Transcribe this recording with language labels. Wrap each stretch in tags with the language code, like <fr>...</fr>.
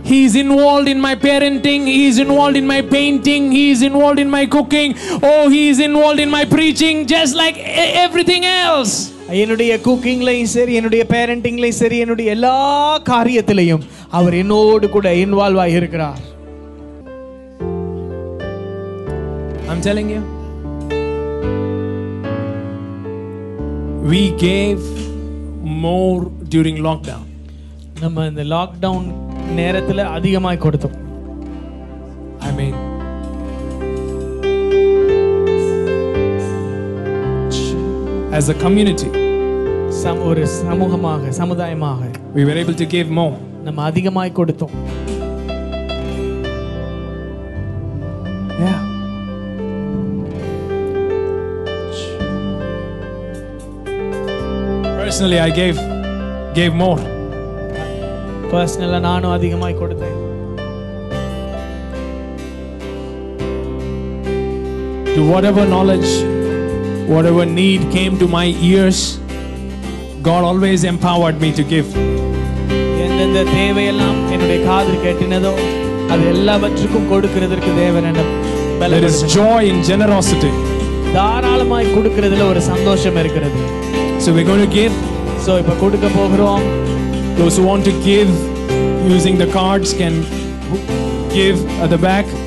<en>He is involved in my parenting. He is involved in my painting. He is involved in my cooking. Oh, he is involved in my preaching, just like everything else.</en> <ta>என்னுடைய குக்கிங்லயும் சரி, என்னுடைய பேரண்டிங்லயும் சரி, என்னுடைய எல்லா காரியத்திலையும் அவர் என்னோடு கூட involve ஆகி இருக்கிறார்.</ta> <en>I'm telling you, we gave more during lockdown.</en> <ta>நம்ம இந்த லாக் டவுன் நேரத்துல அதிகமாக கொடுத்தோம்.</ta> <en>I mean, as a community,</en> <ta>ஒரு சமூகமாக, சமுதாயமாக,</ta> <en>we were able to give more.</en> <ta>நம்ம அதிகமாக கொடுத்தோம்.</ta> <en>Yeah. Personally, I gave more.</en> <ta>Personally, நானு அதிகமாய் கொடுத்தேன்.</ta> <en>To whatever knowledge, whatever need came to my ears, God always empowered me to give.</en> <ta>எந்த தேவையெல்லாம் என்னுடைய காதில் கேட்டினதோ அது எல்லாவற்றுக்கும் கொடுக்கிறதற்கு தேவன் என்ன</ta> <en>பலம். There is joy in generosity.</en> <ta>தாராளமாய் கொடுக்கிறதுல ஒரு சந்தோஷம் இருக்கிறது.</ta> <en>So we're going to give.</en> <ta>So இப்ப கொடுக்க போகிறோம்.</ta> <en>Those who want to give using the cards can give at the back.</en>